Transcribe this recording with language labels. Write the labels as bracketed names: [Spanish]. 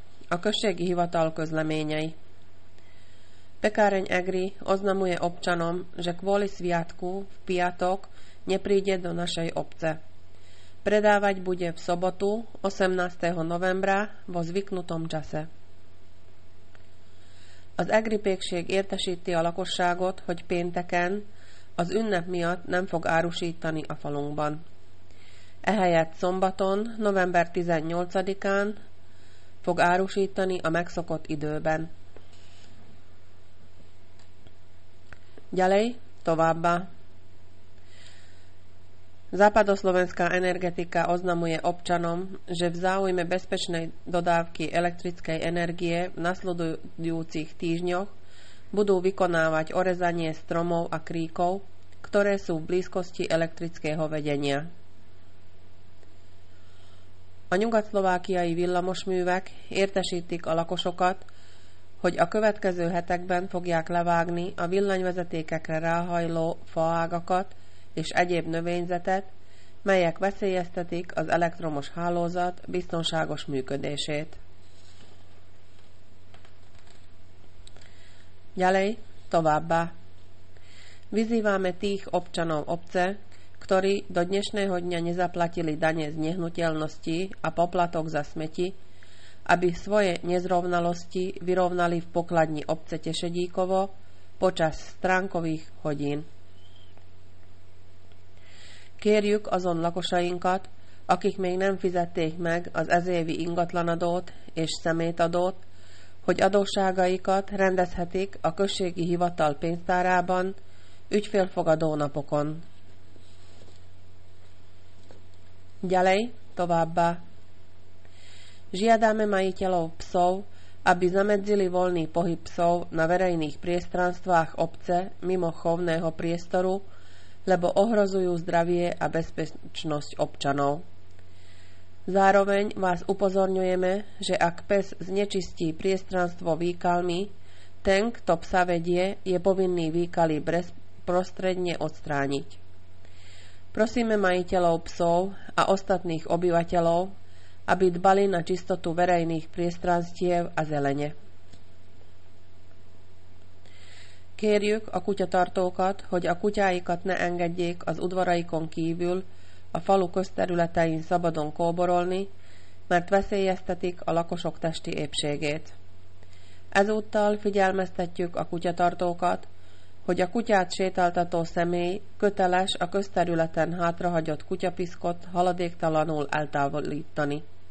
[Hungarian] A községi hivatal közleményei. [Slovak] Pekáreň Egri oznamuje občanom, že kvôli sviatku v piatok nepríde do našej obce. Predávať bude v sobotu 18. novembra vo zvyknutom čase. [Hungarian] Az Egri pékség értesíti a lakosságot, hogy pénteken az ünnep miatt nem fog árusítani a falunkban. Ehelyett szombaton, november 18-án fog árusítani a megszokott időben. [Slovak] Gyalej, [Hungarian] továbbá. [Slovak] Západoslovenská energetika oznamuje občanom, že v záujme bezpečnej dodávky elektrickej energie v nasledujúcich týždňoch budú vykonávať orezanie stromov a kríkov, ktoré sú v blízkosti elektrického vedenia. [Hungarian] A nyugatszlovákiai villamosművek értesítik a lakosokat, hogy a következő hetekben fogják levágni a villanyvezetékekre ráhajló faágakat és egyéb növényzetet, melyek veszélyeztetik az elektromos hálózat biztonságos működését. [Slovak] Ďalej, [Hungarian] továbbá. [Slovak] Vyzývame tých občanov obce, ktorí do dnešného dňa nezaplatili dane z nehnuteľnosti a poplatok za smeti, aby svoje nezrovnalosti vyrovnali v pokladni obce Tešedíkovo počas stránkových hodín. [Hungarian] Kérjük azon lakosainkat, akik még nem fizették meg az ezévi ingatlanadót és szemétadót, hogy adósságaikat rendezhetik a községi hivatal pénztárában ügyfélfogadó napokon. [Slovak] Ďalej, [Hungarian] továbbá. [Slovak] Žiadame majiteľov psov, aby zamedzili voľný pohyb psov na verejných priestranstvách obce mimo chovného priestoru, lebo ohrozujú zdravie a bezpečnosť občanov. Zároveň vás upozorňujeme, že ak pes znečistí priestranstvo výkalmi, ten, kto psa vedie, je povinný výkaly prostredne odstrániť. Prosíme majiteľov psov a ostatných obyvateľov, aby dbali na čistotu verejných priestranstiev a zelene. [Hungarian] Kérjük a kutyatartókat, hogy a kutyáikat ne engedjék az udvaraikon kívül a falu közterületein szabadon kóborolni, mert veszélyeztetik a lakosok testi épségét. Ezúttal figyelmeztetjük a kutyatartókat, hogy a kutyát sétáltató személy köteles a közterületen hátrahagyott kutyapiszkot haladéktalanul eltávolítani.